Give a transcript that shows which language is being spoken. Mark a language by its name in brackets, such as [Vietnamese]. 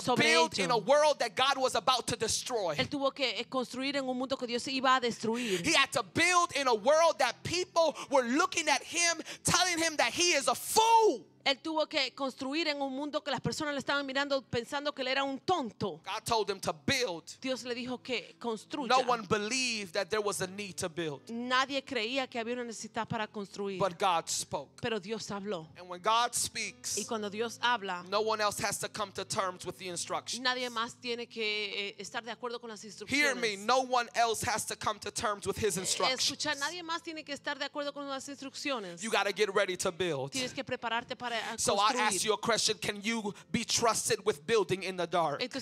[Spanish] sobre ello. [English] He had to build in a world that God was about to destroy. [Spanish] Él tuvo que construir en un mundo que Dios iba a destruir. [English] He had to build in a world that people were looking at him, telling him that he is a fool. [Spanish] Él tuvo que construir en un mundo que las personas le estaban mirando pensando que él era un tonto. [English] God told them to build. [Spanish] Dios le dijo que construya. [English] No one believed that there was a need to build. [Spanish] Nadie creía que había una necesidad para construir. [English] But God spoke. [Spanish] Pero Dios habló. [English] And when God speaks, [Spanish] y cuando Dios habla, [English] no one else has to come to terms with the instructions. [Spanish] Nadie más tiene que estar de acuerdo con las instrucciones. [English] Hear me, no one else has to come to terms with his instructions. [Spanish] Escucha, nadie más tiene que estar de acuerdo con las instrucciones. [English] You got to get ready to build. [Spanish] Tienes que prepararte para. [English] So I ask you a question: can you be trusted with building in the dark?